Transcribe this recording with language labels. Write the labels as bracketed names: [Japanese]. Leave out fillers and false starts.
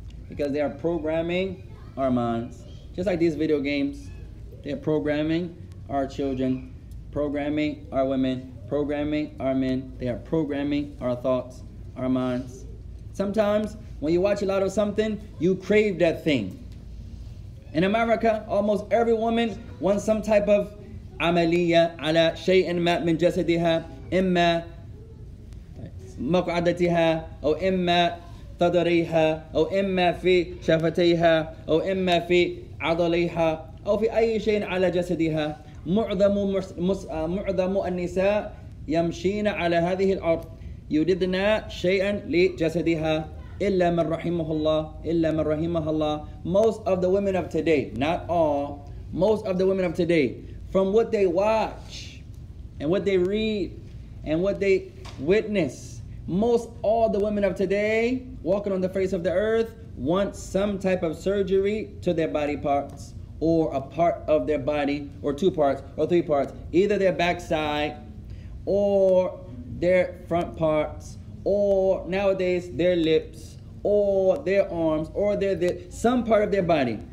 [English] Because they are programming our minds. Just like these video games, they're programming our children, programming our women, programming our men. They are programming our thoughts, our minds. Sometimes when you watch a lot of something, you crave that thing. In America, almost every woman wants some type of [Arabic] عملية على شيء ما من جسدها إما مقعدتها أو إما صدريها أو إما في شفتيها أو إما في عضليها أو في أي شيء على جسدها. معظم النساء يمشين على هذه الأرض يريدن شيئا لجسدها إلا من رحمه الله إلا من رحمه الله. [English] Most of the women of today, not all, most of the women of today, from what they watch and what they read and what they witness, most all the women of today walking on the face of the earth want some type of surgery to their body parts, or a part of their body, or two parts or three parts, either their backside or their front parts, or nowadays their lips or their arms or their some part of their body.